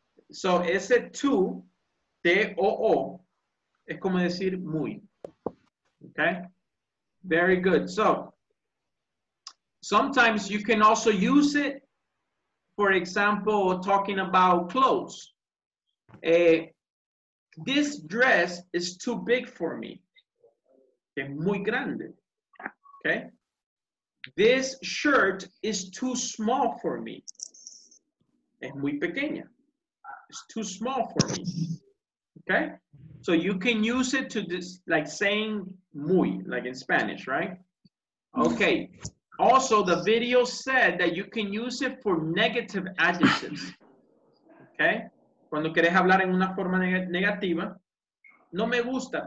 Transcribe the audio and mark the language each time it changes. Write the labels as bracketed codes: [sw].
[es] So ese too, T-O-O, es como decir muy. [en] Okay? Very good. So, sometimes you can also use it, for example, talking about clothes. This dress is too big for me. [es] Es muy grande. [en] Okay? This shirt is too small for me. [es] Es muy pequeña. [en] It's too small for me. Okay? So you can use it to this, like saying muy, like in Spanish, right? Okay. Also, the video said that you can use it for negative adjectives. Okay? [es] Cuando quieres hablar en una forma negativa, no me gusta.